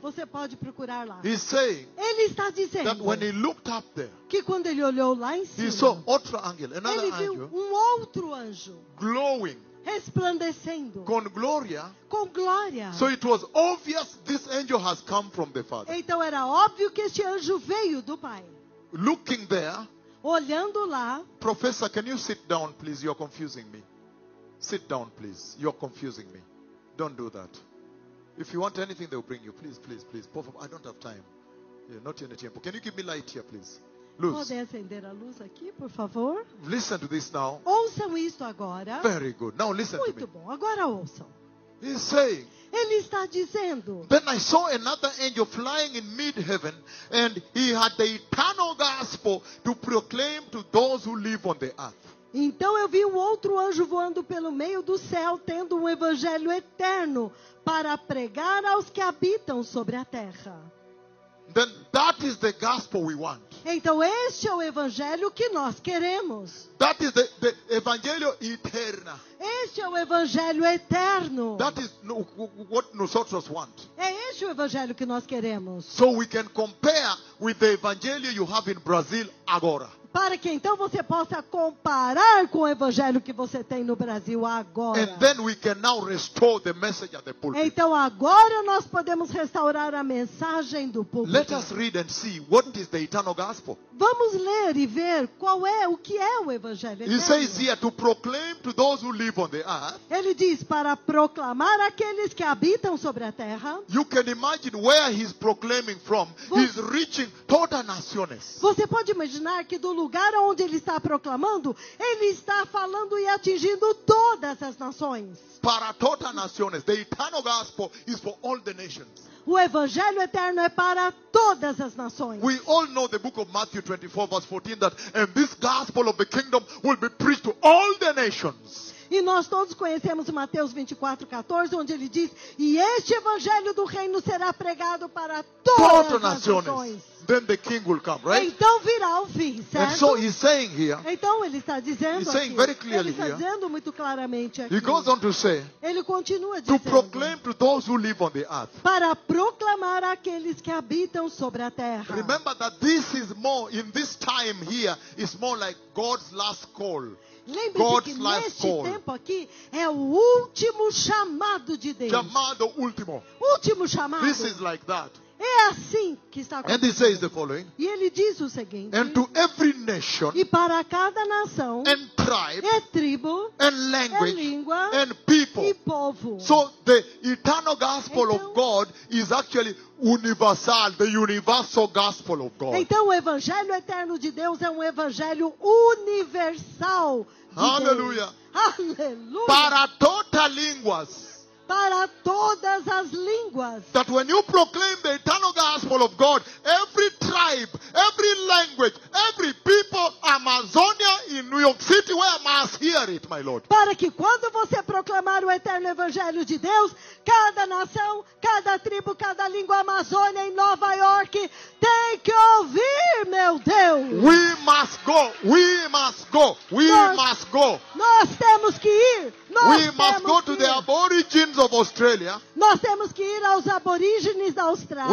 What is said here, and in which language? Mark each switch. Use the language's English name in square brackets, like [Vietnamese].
[Portuguese] Você pode procurar lá. [English] He's saying. [Portuguese] Ele está dizendo. [English] That when he looked up there. [Portuguese] Que quando ele olhou lá em cima. [English] He saw outro angel, another [Portuguese] ele viu [English] angel. [Portuguese] Um outro anjo. [English] Glowing. [Portuguese] Resplandecendo. [Spanish] Con gloria. [Portuguese] Com glória. [English] So it was obvious this angel has come from the Father. [Portuguese] Então era óbvio que este anjo veio do Pai. [English] Looking there. [Portuguese] Olhando lá. [English] Professor, can you sit down, please? You're confusing me. Sit down, please. You're confusing me. Don't do that. If you want anything, they'll bring you. Please, please, please. Por favor, I don't have time. Yeah, not in the temple. Can you give me light here, please? Luz. [Portuguese] Podem acender a luz aqui, por favor? [English] Listen to this now. [Portuguese] Ouçam isto agora. [English] Very good. Now listen [Portuguese] muito [English] to me. [Portuguese] Muito bom. Agora ouçam. [English] He's saying. [Portuguese] Ele está dizendo. [English] Then I saw another angel flying in mid heaven, and he had the eternal gospel to proclaim to those who live on the earth. [Portuguese] Então eu vi um outro anjo voando pelo meio do céu, tendo um evangelho eterno para pregar aos que habitam sobre a terra. [English] Then that is the gospel we want. [Portuguese] Então este é o evangelho que nós queremos. [English] That is the evangelho eterno. [Portuguese] Este é o evangelho eterno. [English] That is what nosotros want. [Portuguese] É este o evangelho que nós queremos. [English] So we can compare with the evangelho you have in Brazil [Portuguese] agora. para que então você possa comparar com o evangelho que você tem no Brasil agora. [English] And then we can now restore the message at the pulpit. [Portuguese] Então agora nós podemos restaurar a mensagem do púlpito. [English] Let us read and see what is the eternal gospel. [Portuguese] Vamos ler e ver qual é o que é o evangelho. [English] He says here to proclaim to those who live on the earth. [Portuguese] Ele diz para proclamar aqueles que habitam sobre a terra. [English] You can imagine where he's proclaiming from. He's reaching [Portuguese] todas as nações. Você pode imaginar que do lugar onde ele está proclamando, ele está falando e atingindo todas as nações. Para todas as nações, [English] the eternal gospel is for all the nations. [Portuguese] O evangelho eterno é para todas as nações. [English] We all know the book of Matthew 24 verse 14 that and this gospel of the kingdom will be preached to all the nations. [Portuguese] E nós todos conhecemos Mateus 24, 14, onde ele diz: e este evangelho do reino será pregado para todas as nações. [English] Then the king will come, right? [Portuguese] Então virá o fim, certo? [English] And so he's saying here, [Portuguese] então ele está dizendo [English] he's [Portuguese] aqui, [English] saying very clearly [Portuguese] ele está dizendo [English] here, [Portuguese] muito claramente aqui, [English] he goes on to say, [Portuguese] ele continua dizendo, [English] to proclaim to those who live on the earth, [Portuguese] para proclamar àqueles que habitam sobre a terra. [English] Remember that this is more, in this time here, it's more like God's last call. [Portuguese] Lembre-se que neste tempo aqui é o último chamado de Deus. Chamado último. Último chamado. [English] This is like that. [Portuguese] É assim que está acontecendo. [English] And he says the following. [Portuguese] E ele diz o seguinte. [English] And to every nation. [Portuguese] E para cada nação. [English] And tribe. [Portuguese] É tribo. [English] And language. [Portuguese] É língua. [English] And people. [Portuguese] E povo. [English] So the eternal gospel of God is actually universal, the universal gospel of God. [Portuguese] Então o evangelho eterno de Deus é um evangelho universal. Aleluia. Aleluia. Para todas as línguas. Para todas as línguas. [English] That when you proclaim the eternal gospel of God, every tribe, every language, every people, Amazonia in New York City, where must hear it, my Lord. [Portuguese] Para que quando você proclamar o eterno evangelho de Deus, cada nação, cada tribo, cada língua, Amazônia em Nova York, tem que ouvir, meu Deus. [English] We must go, we must go, we must go. [Portuguese] Nós temos que ir. Nós [English] we must go to the aborigines of Australia. [Portuguese] Nós temos que ir aos aborígenes da Austrália.